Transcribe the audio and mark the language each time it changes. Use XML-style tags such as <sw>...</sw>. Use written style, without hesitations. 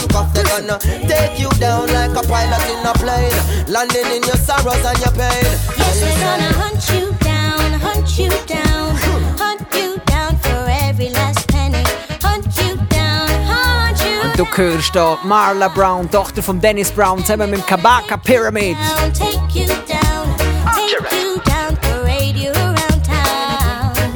<en>Take you down like a pilot in a plane, landing in your sorrows and your pain. Yes, we're gonna hunt you down, hunt you down. Hunt you down for every last penny. Hunt you down, hunt you down.</en> <de>Und du hörst da Marla Brown, Tochter von Dennis Brown, zusammen mit Kabaka Pyramid.</de> <en>Take you down, take you down for radio around town.</en>